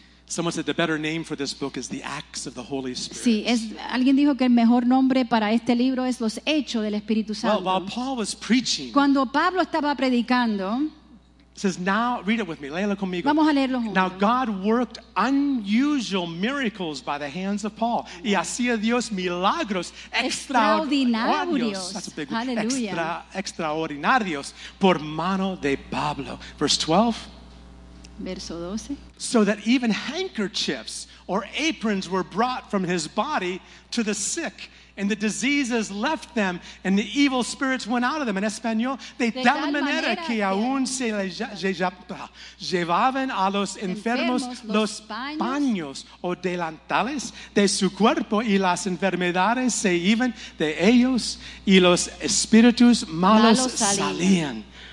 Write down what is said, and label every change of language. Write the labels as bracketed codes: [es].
[en] someone said the better name for this book is the Acts of the Holy Spirit. [es] Sí, es, alguien dijo que el mejor nombre para este libro es los Hechos del Espíritu Santo. [en] Well, while Paul was preaching, [es] cuando Pablo estaba predicando, [en] it says now, read it with me, [es] léelo conmigo. Vamos a leerlo juntos. [en] Now God worked unusual miracles by the hands of Paul. [es] Y hacía Dios milagros extraordinarios. [en] That's a big word. [es] Extraordinarios por mano de Pablo. [en] Verse 12. [es] Verso 12. [en] So that even handkerchiefs or aprons were brought from his body to the sick, and the diseases left them, and the evil spirits went out of them. [es] En español, de tal manera que aún se llevaban a los enfermos los paños o delantales de su cuerpo, y las enfermedades se iban de ellos, y los espíritus malos salían.